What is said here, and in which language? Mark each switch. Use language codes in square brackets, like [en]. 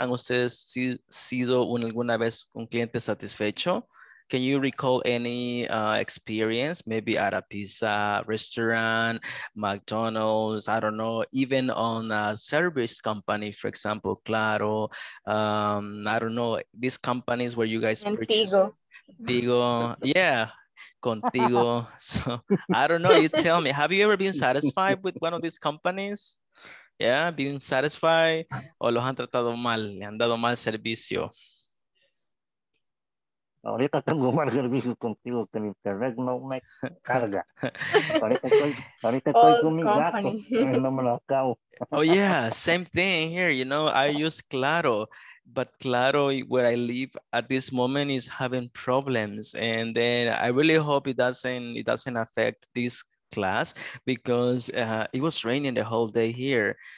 [es] ¿Han ustedes sido alguna vez un cliente satisfecho? [en] Can you recall any experience, maybe at a pizza restaurant, McDonald's, I don't know, even on a service company, for example, Claro, I don't know, these companies where you guys purchase. [es] Contigo. Digo, yeah, contigo. [en] So I don't know, you tell me, have you ever been satisfied with one of these companies? Yeah, being satisfied, [es] o los han tratado mal, le han dado mal servicio. Ahorita tengo mal servicio contigo, que el internet no me carga. Ahorita estoy con mi gato, no me lo acabo. [en] Oh yeah, same thing here, you know, I use Claro, but Claro, where I live at this moment, is having problems. And then I really hope it doesn't affect this class, because it was raining the whole day here.